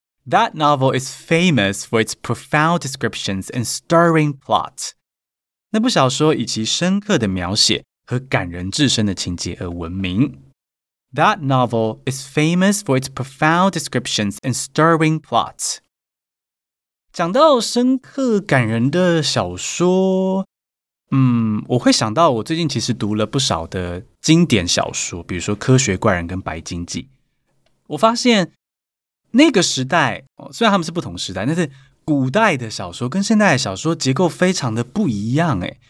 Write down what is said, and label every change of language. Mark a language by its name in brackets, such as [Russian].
[English] That novel is famous for its profound descriptions and stirring plot. [Chinese] 那部小说以其深刻的描写和感人至深的情节而闻名。 [English] That novel is famous for its profound descriptions and stirring plots. [Chinese] 讲到深刻感人的小说，我会想到我最近其实读了不少的经典小说，比如说《科学怪人》跟《白鲸记》。我发现那个时代，虽然他们是不同时代，但是古代的小说跟现代的小说结构非常的不一样。